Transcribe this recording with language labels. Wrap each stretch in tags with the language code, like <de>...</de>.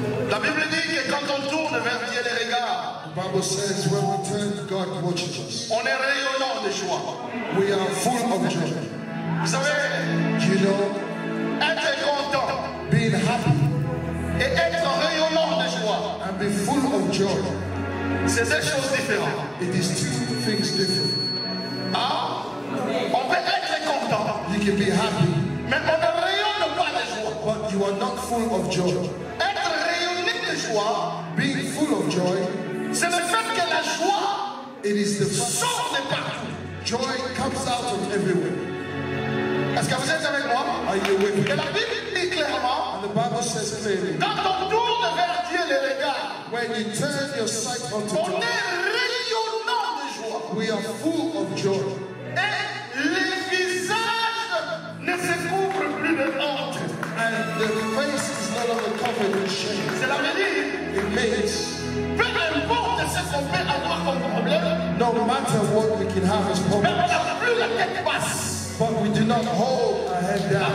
<fr>La Bible dit que quand on tourne vers Dieu les regards,</fr> <en>the Bible says when we turn to God watches us.</en> <fr>On est rayonnant de joie.</fr> <en>We are full of joy.</en> <fr>Vous savez,</fr> <en>you know,</en> <fr>être content,</fr> <en>being happy,</en> <fr>et être en rayonnant de joie,</fr> <en>and be full of joy,</en> <fr>c'est des choses différentes.</fr> <en>It is two things different.</en> <fr>Ah, on peut être content,</fr> <en>you can be happy,</en> <fr>mais on ne rayonne pas de joie.</fr> <en>But you are not full of joy.</en> <fr>Être rayonné de joie,</fr> <en>being full of joy,</en> <fr>c'est le fait que la joie,</fr> <en>it is the</en> <fr>sort de partout.</fr> <en>Joy comes out of everywhere.</en> <fr>Est-ce que vous êtes avec moi?</fr> <en>Are you with me?</en> <fr>Que la Bible dit clairement.</fr> <en>And the Bible says clearly.</en> <fr>Quand on tourne vers Dieu les regards.</fr> <en>When you turn your sight unto God.</en> <fr>On est rayonnant de joie.</fr> <en>We are full of joy.</en> <fr>Et les visages ne se couvrent plus de honte.</fr> <en>And the face is no longer covered with shame.</en> <fr>C'est la Bible.</fr> <en>It means.</en> <fr>Peu importe ce qu'on peut avoir comme problème.</fr> <en>No matter what we can have as problems.</en> <fr>Même on n'a plus la tête basse.</fr> <en>But we do not hold our head down.</en>